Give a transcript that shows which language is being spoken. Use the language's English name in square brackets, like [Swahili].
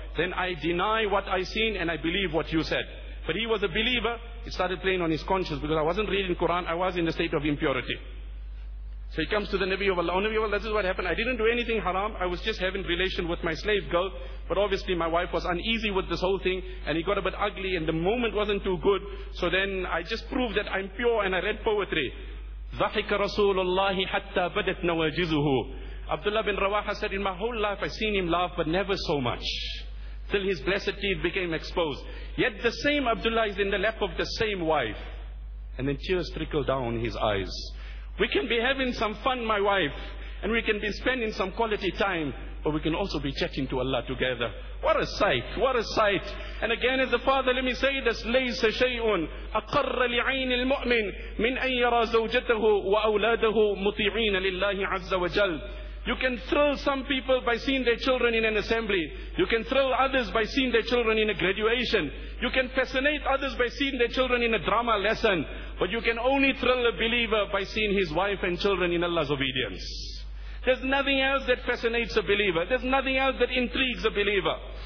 [English] Then I deny what I seen and I believe what you said. But he was a believer, it started playing on his conscience because I wasn't reading Quran, I was in a state of impurity. So he comes to the Nabi of Allah, oh Nabi of Allah, this is what happened, I didn't do anything haram, I was just having relation with my slave girl, but obviously my wife was uneasy with this whole thing, and he got a bit ugly, and the moment wasn't too good, so then I just proved that I'm pure, and I read poetry. [Arabic] ضحك رسول الله حتى بدت نواجزه. [English] Abdullah bin Rawaha said, in my whole life I've seen him laugh, but never so much, till his blessed teeth became exposed. Yet the same Abdullah is in the lap of the same wife, and then tears trickle down his eyes. We can be having some fun, my wife, and we can be spending some quality time, but we can also be chatting to Allah together. What a sight, what a sight. And again, as the father, let me say this, [Arabic] لَيْسَ شَيْءٌ أَقَرَّ لِعَيْنِ الْمُؤْمِنِ مِنْ أَنْ يَرَى زَوْجَتَهُ وَأَوْلَادَهُ مُطِيعِينَ لِلَّهِ عَزَّ وَجَلْ. [English] You can thrill some people by seeing their children in an assembly. You can thrill others by seeing their children in a graduation. You can fascinate others by seeing their children in a drama lesson. But you can only thrill a believer by seeing his wife and children in Allah's obedience. There's nothing else that fascinates a believer. There's nothing else that intrigues a believer.